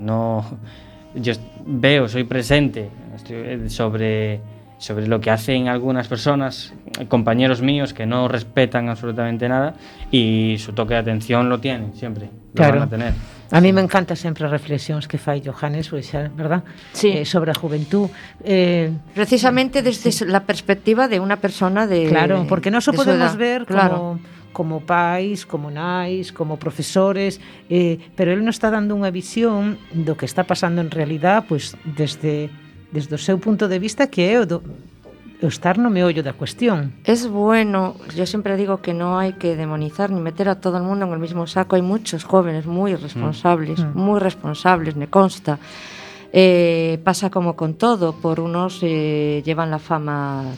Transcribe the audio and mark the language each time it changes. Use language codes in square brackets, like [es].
[es] No, yo veo, soy presente sobre lo que hacen algunas personas, compañeros míos que no respetan absolutamente nada y su toque de atención lo tienen siempre, lo van a tener. [gl] A mí me encantan sempre as reflexións que fai Johannes, ¿verdad? Sí. Sobre a juventud. [es] Precisamente desde la perspectiva de unha persona de... [gl] Claro, porque non só podemos ver como pais, como nais, como profesores, pero ele nos está dando unha visión do que está pasando en realidad, pues, desde o seu punto de vista, que é estar no meollo da cuestión. [es] Es bueno, yo siempre digo que no hay que demonizar ni meter a todo el mundo en el mismo saco. Hay muchos jóvenes muy responsables, muy responsables, me consta. Pasa como con todo, por unos llevan la fama.